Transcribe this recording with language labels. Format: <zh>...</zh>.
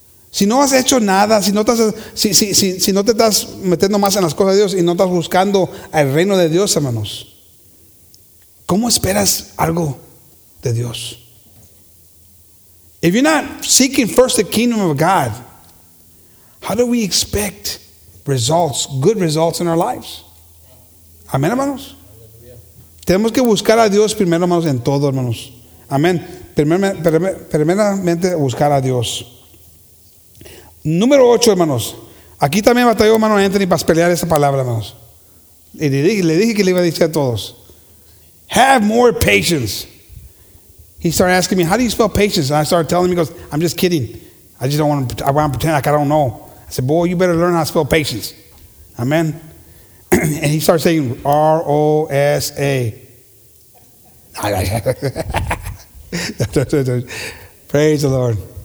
<es>Si no has hecho nada, si no, estás, si no te estás metiendo más en las cosas de Dios y no estás buscando el reino de Dios, hermanos, ¿cómo esperas algo de Dios?</es> <en>If you're not seeking first the kingdom of God, how do we expect results, good results in our lives?</en> <es>Amén, hermanos. Tenemos que buscar a Dios primero, hermanos, en todo, hermanos. Amén. Primeramente buscar a Dios. Número 8, hermanos. Aquí también batalló, hermano Anthony, para pelear esa palabra, hermanos. Y le dije que le iba a decir a todos.</es> <en>Have more patience. He started asking me, how do you spell patience? And I started telling him, he goes, I'm just kidding. I want to pretend like I don't know. I said, boy, you better learn how to spell patience. Amen. And he started saying, R-O-S-A. Praise the Lord.</en>